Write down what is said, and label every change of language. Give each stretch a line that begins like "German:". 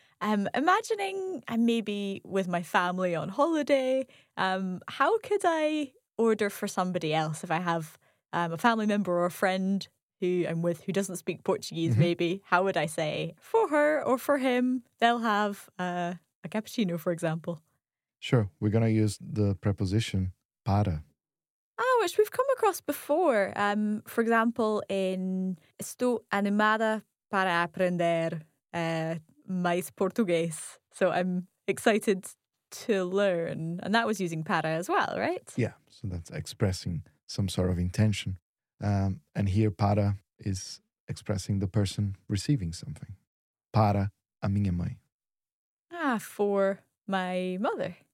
English: Imagining I'm maybe with my family on holiday, how could I order for somebody else if I have a family member or a friend who I'm with who doesn't speak Portuguese, mm-hmm. maybe? How would I say for her or for him, they'll have a cappuccino, for example? Sure, we're going to use the preposition para. Ah, which we've come across before. For example, in
Portuguese: Estou animada para aprender mais português.
English: So I'm excited to learn. And that was using para as well, right? Yeah, so that's expressing some sort of intention. And here para is expressing the person receiving something.
Portuguese: Para a minha mãe.
English: Ah, for my mother.